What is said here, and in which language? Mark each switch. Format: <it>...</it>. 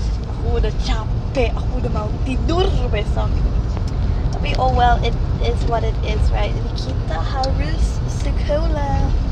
<id>Aku udah capek, aku udah mau tidur besok.</id> <en>Tapi oh well, it is what it is, right?</en> <id>Jadi kita harus sekolah.</id>